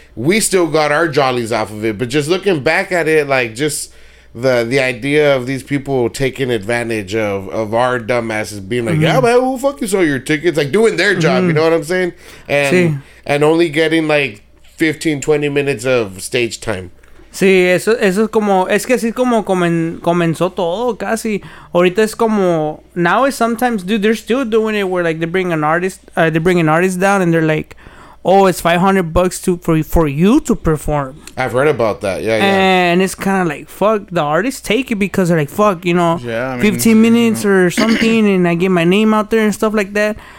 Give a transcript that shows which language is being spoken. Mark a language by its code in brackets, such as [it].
[en] We still got our jollies off of it, but just looking back at it, like just the idea of these people taking advantage of our dumbasses being like, mm-hmm. "Yeah, man, who fuck you sold your tickets?" Like doing their job, mm-hmm. you know what I'm saying? And only getting like 15-20 minutes of stage time. [es] Sí, eso es como, es que así es como comenzó todo casi. Ahorita es como, [en] now is sometimes, dude, they're still doing it where like they bring an artist, they bring an artist down and they're like, oh, it's $500 for you to perform. I've read about that, yeah. And it's kind of like, fuck, the artists take it because they're like, fuck, you know, yeah, I mean, 15 minutes you know. Or something and I get my name out there and stuff like that.